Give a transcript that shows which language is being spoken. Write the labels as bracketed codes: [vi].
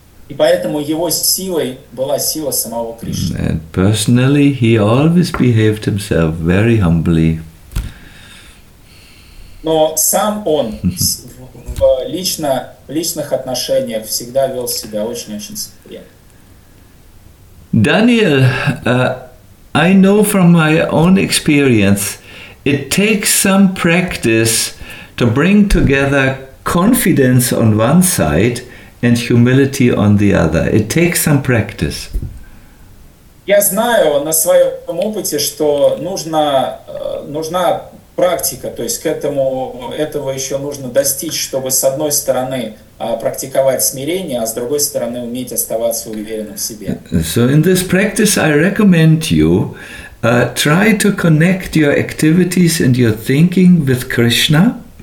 [ru] И поэтому его силой была сила самого Кришны. [en] And personally, he always behaved himself very humbly. [ru] Но сам он в личных отношениях всегда вел себя очень-очень скромно. [en] Daniel, I know from my own experience, it takes some practice to bring together confidence on one side and humility on the other. It takes some practice. [ru] Я знаю на своем опыте, что нужна практика, то есть к этого еще нужно достичь, чтобы с одной стороны практиковать смирение, а с другой стороны уметь оставаться уверенным в себе. [en] So in this practice I recommend you try to connect your activities and your thinking with Krishna.